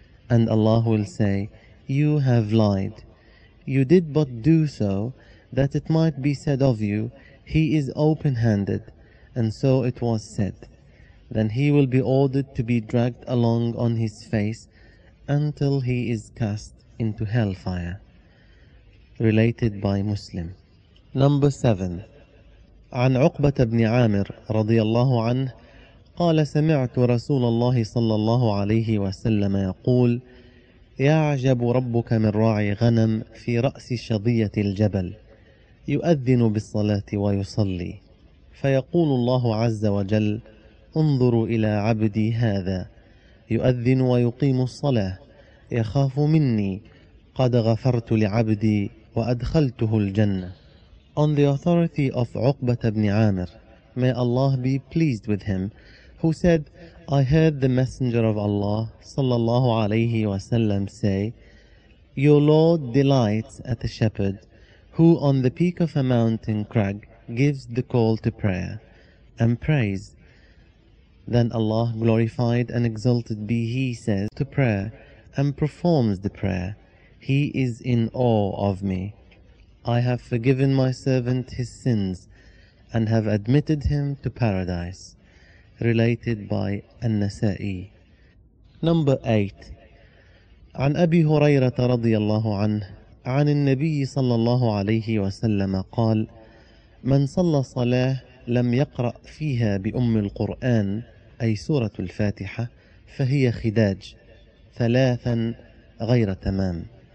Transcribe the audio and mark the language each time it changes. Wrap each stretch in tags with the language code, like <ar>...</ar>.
<en>And Allah will say, 'You have lied. You did but do so that it might be said of you, he is open-handed. And so it was said. Then he will be ordered to be dragged along on his face until he is cast into hellfire.'" Related by Muslim. Number 7.</en> <ar>عن عقبة بن عامر رضي الله عنه قال: سمعت رسول الله صلى الله عليه وسلم يقول: يعجب ربك من راعي غنم في رأس شظية الجبل يؤذن بالصلاة ويصلي، فيقول الله عز وجل: انظروا إلى عبدي هذا يؤذن ويقيم الصلاة يخاف مني، قد غفرت لعبدي وأدخلته الجنة.</ar> <en>On the authority of عقبة بن عامر, may Allah be pleased with him, who said, "I heard the Messenger of Allah sallallahu alayhi wa sallam say, 'Your Lord delights at a shepherd who on the peak of a mountain crag gives the call to prayer and prays. Then Allah, glorified and exalted be He, says to prayer and performs the prayer, he is in awe of me. I have forgiven my servant his sins and have admitted him to paradise.'" Related by An-Nasa'i. Number 8.</en> <ar>عن أبي هريرة رضي الله عنه عن النبي صلى الله عليه وسلم قال: من صلى صلاة لم يقرأ فيها بأم القرآن أي سورة الفاتحة فهي خداج ثلاثا غير تمام.</ar>